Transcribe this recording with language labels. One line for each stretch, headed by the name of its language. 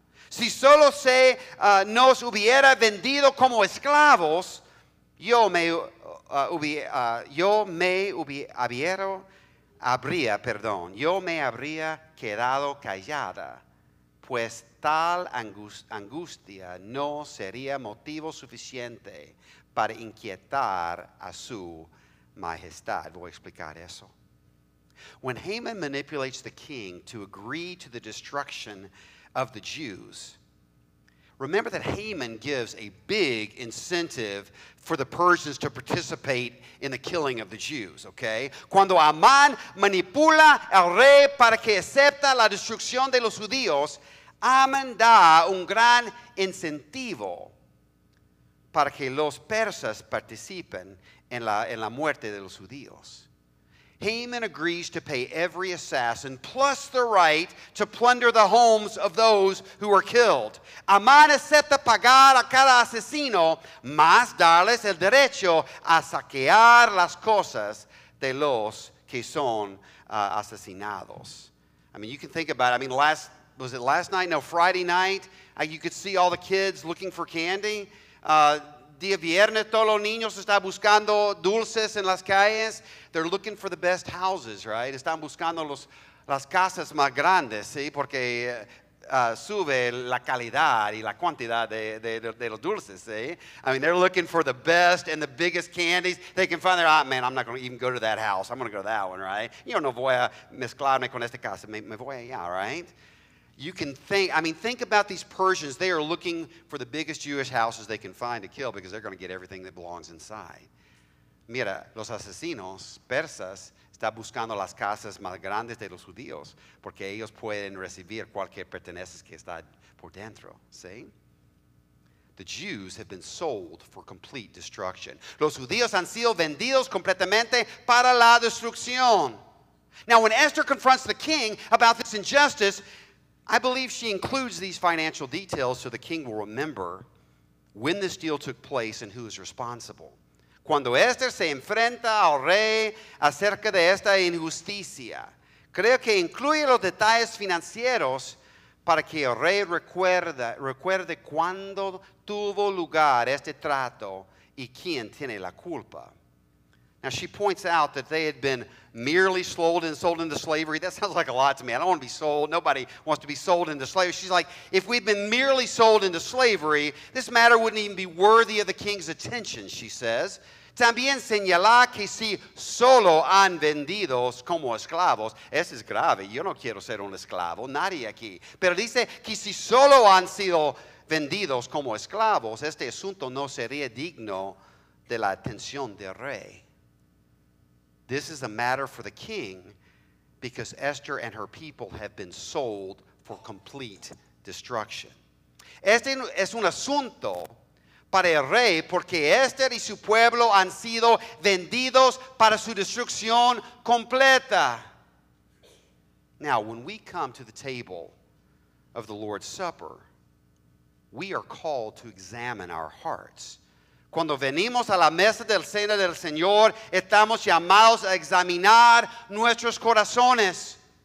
Spanish: Si solo se nos hubiera vendido como esclavos, yo me habría quedado callada, pues tal angustia no sería motivo suficiente para inquietar a su majestad. Voy a explicar eso.
English: When Haman manipulates the king to agree to the destruction of the Jews, remember that Haman gives a big incentive for the Persians to participate in the killing of the Jews, okay?
Spanish: Cuando Amán manipula al rey para que acepte la destrucción de los judíos, Amán da un gran incentivo para que los persas participen en la muerte de los judíos.
English: Haman agrees to pay every assassin plus the right to plunder the homes of those who are killed.
Spanish: Amán acepta pagar a cada asesino más darles el derecho a saquear las cosas de los que son asesinados.
English: I mean, you can think about it. I mean, Friday night? You could see all the kids looking for candy.
Spanish: Día viernes, todos los niños están buscando dulces en las calles.
English: They're looking for the best houses, right?
Spanish: Están buscando las casas más grandes, ¿sí? Porque sube la calidad y la cantidad de los dulces, ¿sí?
English: I mean, they're looking for the best and the biggest candies. They can find their, man, I'm not going to even go to that house. I'm going to go to that one, right?
Spanish: Yo no voy a mezclarme con esta casa. Me voy allá, right?
English: You can think, I mean, think about these Persians. They are looking for the biggest Jewish houses they can find to kill because they're going to get everything that belongs inside.
Spanish: Mira, los asesinos persas están buscando las casas más grandes de los judíos porque ellos pueden recibir cualquier pertenencia que está por dentro, ¿sí?
English: The Jews have been sold for complete destruction.
Spanish: Los judíos han sido vendidos completamente para la destrucción.
English: Now, when Esther confronts the king about this injustice, I believe she includes these financial details so the king will remember when this deal took place and who is responsible.
Spanish: Cuando Esther se enfrenta al rey acerca de esta injusticia, creo que incluye los detalles financieros para que el rey recuerde cuándo tuvo lugar este trato y quién tiene la culpa.
English: Now she points out that they had been merely sold into slavery. That sounds like a lot to me. I don't want to be sold. Nobody wants to be sold into slavery. She's like, if we'd been merely sold into slavery, this matter wouldn't even be worthy of the king's attention, she says.
Spanish: También señala que si solo han vendidos como esclavos. Eso es grave. Yo no quiero ser un esclavo. Nadie aquí. Pero dice que si solo han sido vendidos como esclavos, este asunto no sería digno de la atención del rey.
English: This is a matter for the king because Esther and her people have been sold for complete destruction.
Spanish: Este es un asunto para el rey porque Esther y su pueblo han sido vendidos para su destrucción completa.
English: Now, when we come to the table of the Lord's Supper, we are called to examine our hearts.
Spanish: Cuando venimos a la mesa del cena del Señor, estamos llamados a examinar nuestros corazones.